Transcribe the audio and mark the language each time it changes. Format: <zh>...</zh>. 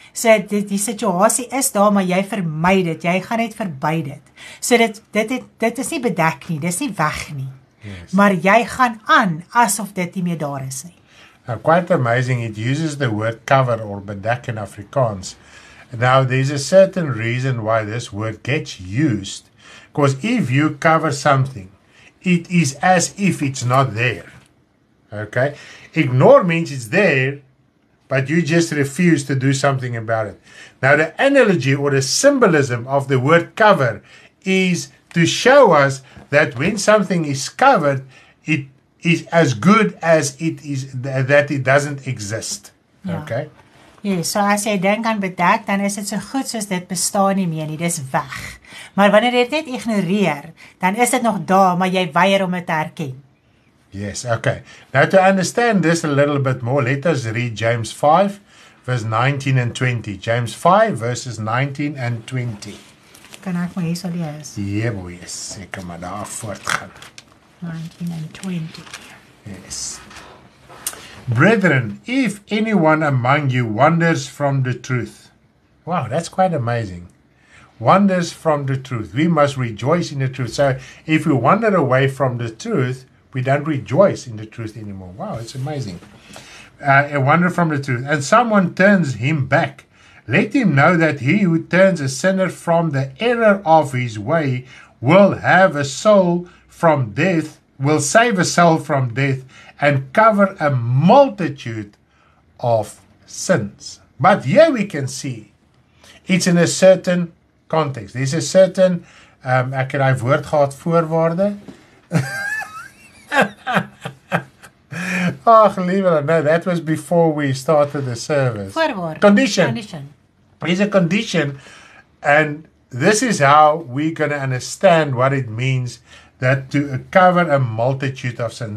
<af>So die situasie is daar, maar jy vermy dit. Jy gaan net verby dit. So dit is nie bedek nie, dit is nie weg nie.</af> <en>Yes.</en> <af>Maar jy gaan aan asof dit nie meer daar is nie.</af> <en>Now, quite amazing, it uses the word cover or bedek in Afrikaans. Now, there's a certain reason why this word gets used. Because if you cover something, it is as if it's not there. Okay? Ignore means it's there, but you just refuse to do something about it. Now, the analogy or the symbolism of the word cover is to show us that when something is covered, it is as good as it is that it doesn't exist. Yeah. Okay?</en> <af>Yes, so as jy dink aan bedek, dan is dit so goed soos dit bestaan nie meer nie, dis weg. Maar wanneer jy dit net ignoreer, dan is dit nog daar, maar jy weier om dit te herken.</af> <en>Yes, okay. Now to understand this a little bit more, let us read James 5, verse 19 and 20. James 5, verses 19 and 20.</en> <af>Kan ek maar hier so lees? Jebo, yes, ek kan maar daar voortgaan.</af> <en>19 and 20. Yes. Brethren, if anyone among you wanders from the truth. Wow, that's quite amazing. Wanders from the truth. We must rejoice in the truth. So if we wander away from the truth, we don't rejoice in the truth anymore. Wow, it's amazing. A wander from the truth. And someone turns him back. Let him know that he who turns a sinner from the error of his way will have a soul from death, will save a soul from death, and cover a multitude of sins. But here we can see, it's in a certain context. There's a certain,</en> <af>ek het die woord gehad, voorwaarde.</af> <en>Ach, liever, no, that was before we started the service.</en> <af>Voorwaarde.</af> <en>Condition. There's a condition, and this is how we're going to understand what it means that to cover a multitude of sins.</en>